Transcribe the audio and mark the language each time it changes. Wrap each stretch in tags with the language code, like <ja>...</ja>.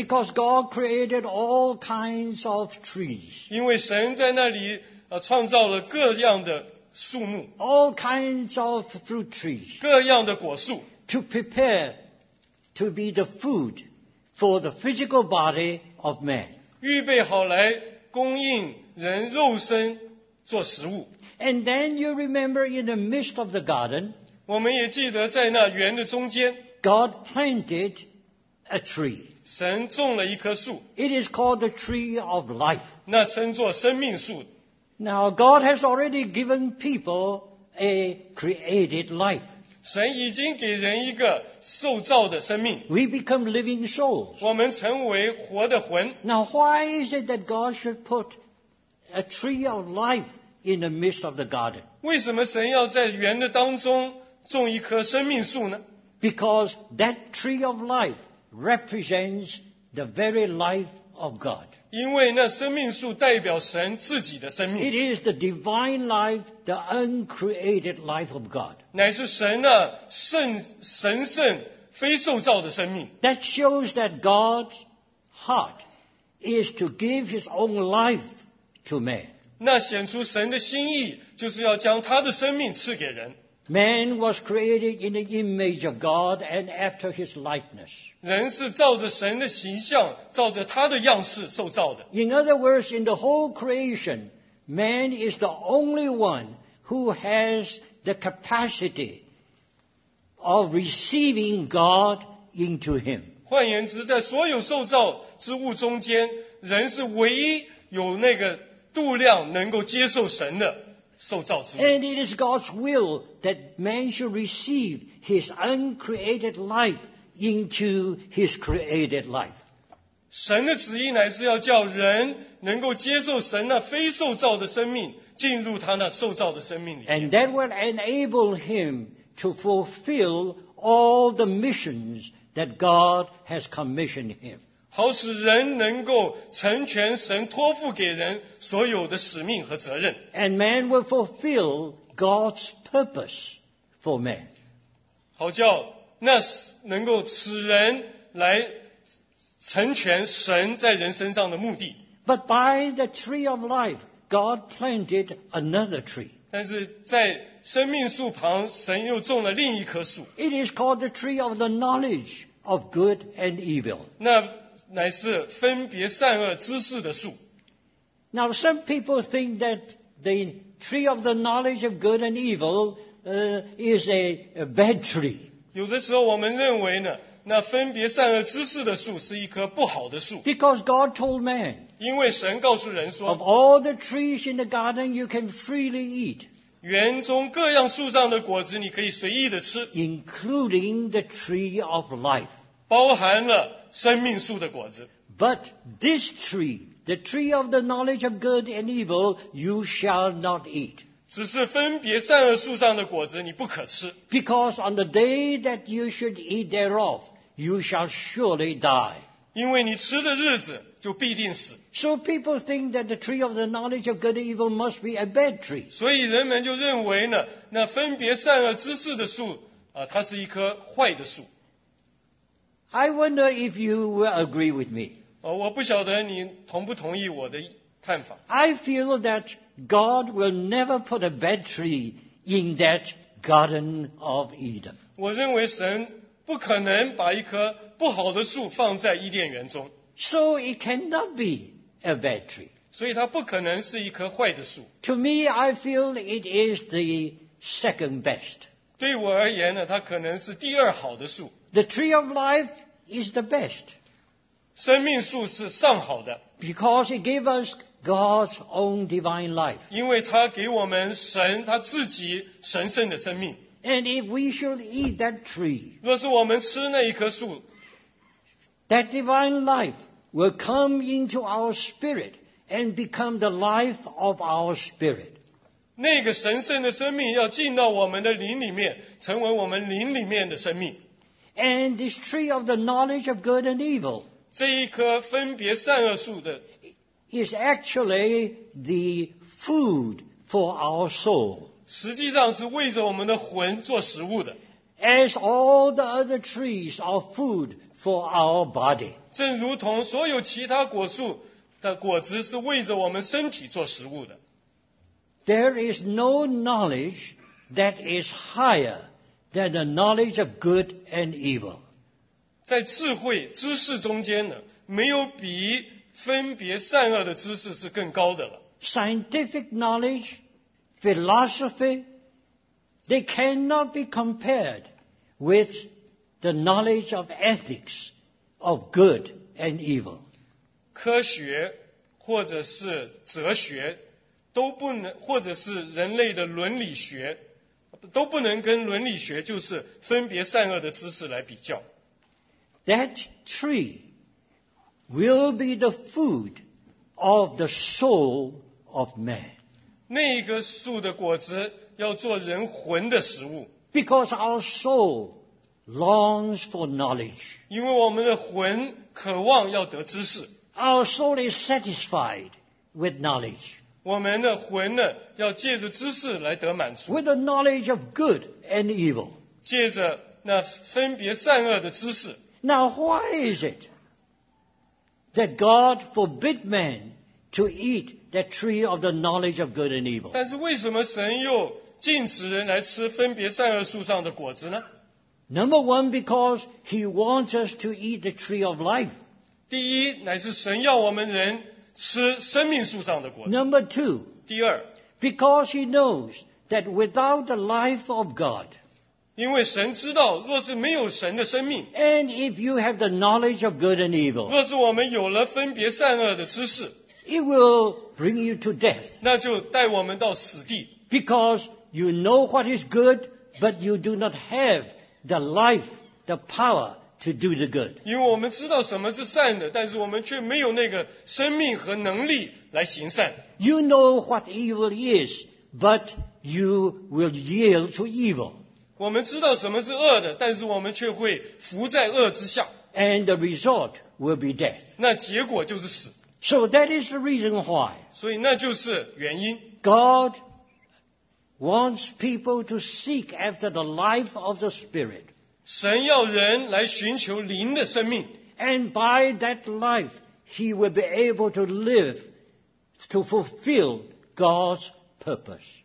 <en>Because God created all kinds of trees.</en> <zh>因为神在那里创造了各样的树木</zh> <en>，all kinds of fruit trees，</en> <zh>各样的果树</zh> <en>，to prepare to be the food for the physical body of man，</en> <zh>预备好来供应人肉身做食物。</zh> <en>And then you remember in the midst of the garden，</en> <zh>我们也记得在那园的中间</zh> <en>，God planted a tree，</en> <zh>神种了一棵树</zh> <en>，it is called the tree of life，</en> <zh>那称作生命树。</zh> <en>Now God has already given people a created life.</en> <zh>神已经给人一个受造的生命。</zh> <en>We become living souls.</en> <zh>我们成为活的魂。</zh> <en>Now why is it that God should put a tree of life in the midst of the garden?</en> <zh>为什么神要在园的当中种一棵生命树呢？</zh> <en>Because that tree of life represents the very life of God.</en> <zh>因为那生命树代表神自己的生命。</zh> <en>It is the divine life, the uncreated life of God.</en> <zh>乃是神那神圣非受造的生命。</zh> <en>That shows that God's heart is to give his own life to man.</en> <zh>那显出神的心意就是要将他的生命赐给人。</zh> <en>Man was created in the image of God and after his likeness.</en> <zh>人是照着神的形象，照着他的样式受造的。</zh> <en>In other words, in the whole creation, man is the only one who has the capacity of receiving God into him.</en> <zh>换言之，在所有受造之物中间，人是唯一有那个度量能够接受神的。</zh> <en>And it is God's will that man should receive his uncreated life into his created life.</en> <zh>神的旨意乃是要叫人能够接受神那非受造的生命，进入他那受造的生命里面。</zh> <en>And that will enable him to fulfill all the missions that God has commissioned him.</en> <zh>好使人能够成全神托付给人所有的使命和责任。</zh> <en>And man will fulfill God's purpose for man.</en> <zh>好叫那能够使人来成全神在人身上的目的。</zh> <en>But by the tree of life, God planted another tree.</en> <zh>但是在生命树旁，神又种了另一棵树。</zh> <en>It is called the tree of the knowledge of good and evil.</en> <zh>那乃是分别善恶知识的树。</zh> <en>Now some people think that the tree of the knowledge of good and evil, is a bad tree.</en> <zh>有的时候我们认为呢，那分别善恶知识的树是一棵不好的树。</zh> <en>Because God told man,</en> <zh>因为神告诉人说</zh> <en>，Of all the trees in the garden, you can freely eat.</en> <zh>园中各样树上的果子你可以随意的吃</zh> <en>，including the tree of life.</en> <zh>包含了。生命树的果子。</zh> <en>But this tree The tree of the knowledge of good and evil you shall not eat.</en> <zh>只是分别善恶树上的果子你不可吃。</zh> <en>Because on the day that you should eat thereof, you shall surely die.</en> <zh>因为你吃的日子就必定死。</zh> <en>So people think that the tree of the knowledge of good and evil must be a bad tree.</en> <zh>所以人们就认为呢那分别善恶知识的树它是一棵坏的树。</zh> <en>I wonder if you will agree with me.</en> <zh>我不晓得你同不同意我的看法。</zh> <en>I feel that God will never put a bad tree in that garden of Eden.</en> <zh>我认为神不可能把一棵不好的树放在伊甸园中。</zh> <en>So it cannot be a bad tree.</en> <zh>所以它不可能是一棵坏的树。</zh> <en>To me, I feel it is the second best.</en> <zh>对我而言呢，它可能是第二好的树。</zh> <en>The tree of life is the best.</en> <zh>生命树是上好的。</zh> <en>Because it gave us God's own divine life.</en> <zh>因为它给我们神他自己神圣的生命。</zh> <en>And if we should eat that tree,</en> <zh>若是我们吃那一棵树。</zh> <en>That divine life will come into our spirit and become the life of our spirit.</en> <zh>那个神圣的生命要进到我们的灵里面，成为我们灵里面的生命。</zh> <en>And this tree of the knowledge of good and evil,</en> <zh>这一棵分别善恶树的</zh> <en>is actually the food for our soul.</en> <zh>实际上是为着我们的魂做食物的。</zh> <en>As all the other trees are food for our body.</en> <zh>正如同所有其他果树的果子是为着我们身体做食物的。</zh> <en>There is no knowledge that is higher than the knowledge of good and evil.</en> <zh>在智慧知识中间呢，没有比分别善恶的知识是更高的了。</zh> <en>Scientific knowledge, philosophy, they cannot be compared with the knowledge of ethics of good and evil.</en> <zh>科学或者是哲学都不能，或者是人类的伦理学都不能跟伦理学就是分别善恶的知识来比较。</zh> <en>That tree will be the food of the soul of man.</en> <zh>那一棵树的果子要做人魂的食物。</zh> <en>Because our soul longs for knowledge.</en> <zh>因为我们的魂渴望要得知识。</zh> <en>Our soul is satisfied with knowledge.</en> <zh>我们的魂呢要借着知识来得满足。</zh> <en>With the knowledge of good and evil.</en> <zh>借着那分别善恶的知识。</zh> <en>Now why is it that God forbid man to eat that tree of the knowledge of good and evil?</en> <zh>但是为什么神又禁止人来吃分别善恶树上的果子呢？</zh> <en>Number one, because he wants us to eat the tree of life.</en> <zh>第一，乃是神要我们人吃生命树上的果子。</zh> <en>Number two,</en> <zh>第二，</zh> <en>because he knows that without the life of God,</en> <zh>因为神知道若是没有神的生命，</zh> <en>and if you have the knowledge of good and evil,</en> <zh>若是我们有了分别善恶的知识，</zh> <en>it will bring you to death.</en> <zh>那就带我们到死地。</zh> <en>Because you know what is good, but you do not have the life, the power to do the good.</en> <zh>因为我们知道什么是善的，但是我们却没有那个生命和能力来行善。</zh> <en>You know what evil is, but you will yield to evil.</en> <zh>我们知道什么是恶的，但是我们却会服在恶之下。</zh> <en>And the result will be death.</en> <zh>那结果就是死。</zh> <en>So that is the reason why.</en> <zh>所以那就是原因。</zh> <en>God wants people to seek after the life of the Spirit.</en> <zh>神要人来寻求灵的生命。</zh> <en>And by that life, he will be able to live to fulfill God's purpose.</en>